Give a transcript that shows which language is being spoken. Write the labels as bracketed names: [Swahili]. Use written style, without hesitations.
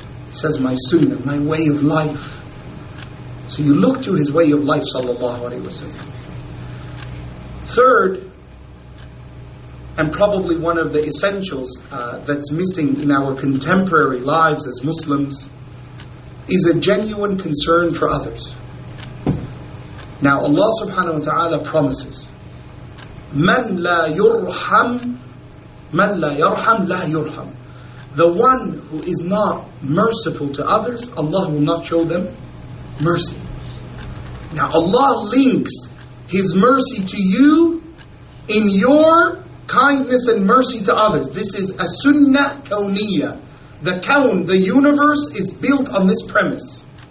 [English] He says, my Sunnah, my way of life. So you look to his way of life, sallallahu alayhi wa sallam. Third, and probably one of the essentials that's missing in our contemporary lives as Muslims, is a genuine concern for others. Now Allah subhanahu wa ta'ala promises, [Arabic] مَنْ لَا يُرْحَمْ مَنْ لَا يَرْحَمْ لَا يُرْحَمْ. [English] The one who is not merciful to others, Allah will not show them mercy. Now Allah links His mercy to you in your kindness and mercy to others. This is a sunnah kawniyah. The kawn, the universe, is built on this premise.